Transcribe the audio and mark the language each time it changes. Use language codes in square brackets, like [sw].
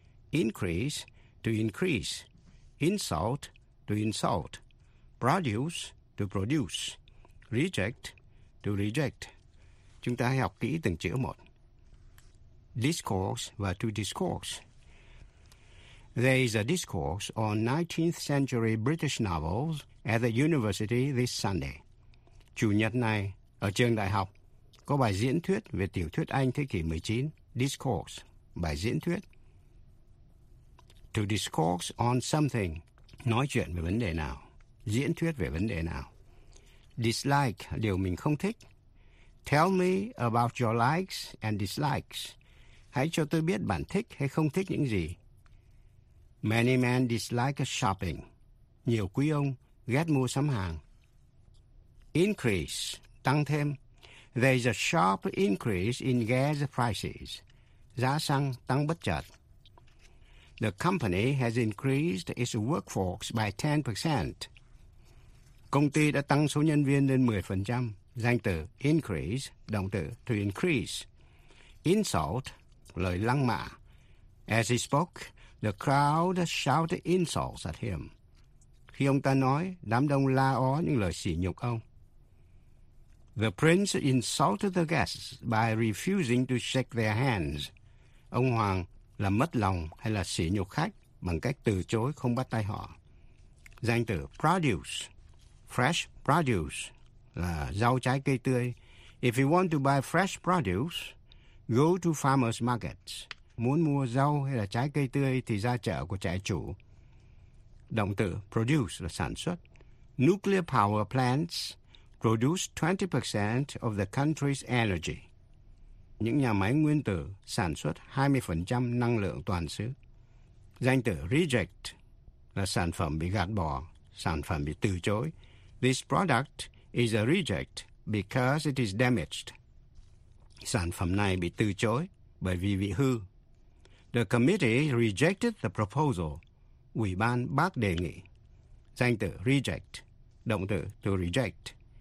[en] Increase, to increase. Insult, to insult. Produce, to produce. Reject, to reject. [vi] Chúng ta hãy học kỹ từng chữ một. Discourse và to discourse. [en] There is a discourse on 19th century British novels at the university this Sunday. [vi] Chủ nhật này, ở trường đại học, có bài diễn thuyết về tiểu thuyết Anh thế kỷ 19. Discourse, bài diễn thuyết. [en] To discourse on something, [vi] nói chuyện về vấn đề nào, diễn thuyết về vấn đề nào. [en] Dislike, [vi] điều mình không thích. [en] Tell me about your likes and dislikes. [vi] Hãy cho tôi biết bạn thích hay không thích những gì. [en] Many men dislike shopping. [vi] Nhiều quý ông ghét mua sắm hàng. Increase, tăng thêm. [en] There is a sharp increase in gas prices. [vi] Giá xăng tăng bất chợt. [en] The company has increased its workforce by 10%. [vi] Công ty đã tăng số nhân viên lên 10%. Danh từ increase, động từ to increase. Insult, lời lăng mạ. [en] As he spoke, the crowd shouted insults at him. [vi] Khi ông ta nói, đám đông la ó những lời sỉ nhục ông. [en] The prince insulted the guests by refusing to shake their hands. [vi] Ông hoàng là mất lòng hay là sỉ nhục khách bằng cách từ chối không bắt tay họ. Danh từ produce, fresh produce, là rau trái cây tươi. [en] If you want to buy fresh produce, go to farmers markets. [vi] Muốn mua rau hay là trái cây tươi thì ra chợ của trại chủ. Động từ produce là sản xuất. [en] Nuclear power plants produce 20% of the country's energy. [vi] Những nhà máy nguyên tử sản xuất 20% năng lượng toàn xứ. Danh từ reject là sản phẩm bị gạt bỏ, sản phẩm bị từ chối. [en] This product is a reject because it is damaged. [vi] Sản phẩm này bị từ chối bởi vì bị hư. [en] The committee rejected the proposal. [vi] Ủy ban bác đề nghị. Danh từ reject, động từ to reject.